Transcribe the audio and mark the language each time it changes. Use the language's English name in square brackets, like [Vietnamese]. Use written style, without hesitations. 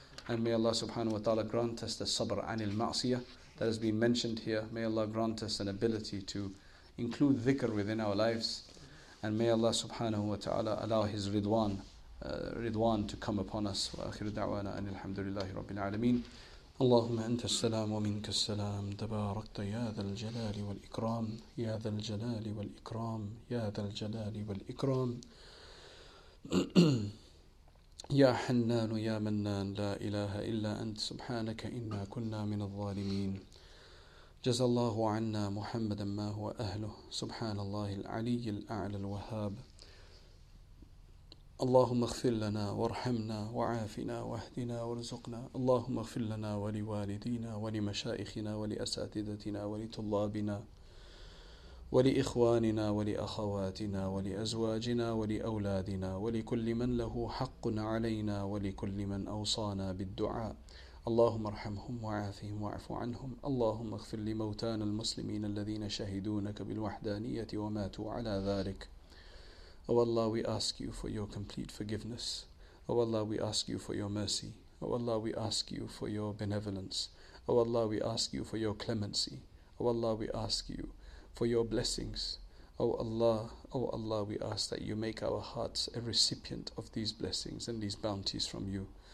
[English] And may Allah subhanahu wa ta'ala grant us the sabr anil ma'siyah that has been mentioned here. May Allah grant us an ability to include dhikr within our lives. And may Allah subhanahu wa ta'ala allow His ridwan to come upon us. [Arabic] Wa akhiru da'wana anil alhamdulillahi rabbil alameen. اللهم أنت السلام ومنك السلام تباركت يا ذا الجلال والإكرام يا ذا الجلال والإكرام يا ذا الجلال والإكرام يا حنان يا منان لا إله إلا أنت سبحانك إنا كنا من الظالمين جزى الله عنا محمدا ما هو أهله سبحان الله العلي الأعلى الوهاب اللهم اغفر لنا وارحمنا وعافنا واهدنا وارزقنا اللهم اغفر لنا ولوالدينا ولمشايخنا ولأساتذتنا ولطلابنا ولإخواننا ولأخواتنا ولأزواجنا ولأولادنا ولكل من له حق علينا ولكل من أوصانا بالدعاء اللهم ارحمهم وعافهم واعف عنهم اللهم اغفر لموتانا المسلمين الذين شهدونك بالوحدانية وماتوا على ذلك [English] Oh Allah, we ask you for your complete forgiveness. Oh Allah, we ask you for your mercy. Oh Allah, we ask you for your benevolence. Oh Allah, we ask you for your clemency. Oh Allah, we ask you for your blessings. Oh Allah, we ask that you make our hearts a recipient of these blessings and these bounties from you.